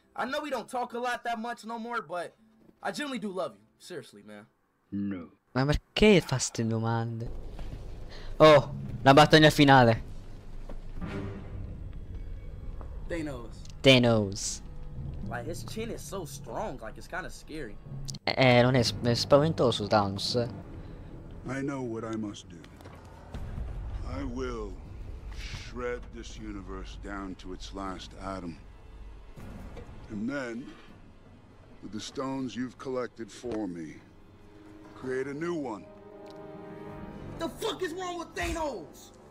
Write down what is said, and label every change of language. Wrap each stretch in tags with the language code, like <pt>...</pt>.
<en>I know we don't talk a lot that much no more, but I genuinely do love you. Seriously, man. No.</en> <it>Ma perché fa ste domande? Oh, la battaglia finale. Thanos.</it> <en>Like his chin is so strong, like it's kind of scary.</en> <it>Non è, è spaventoso Thanos.</it> <en>I know what I must do. I will shred this universe down to its last atom. And then with the stones you've collected for me, create a new one. The fuck is wrong with Thanos?</en>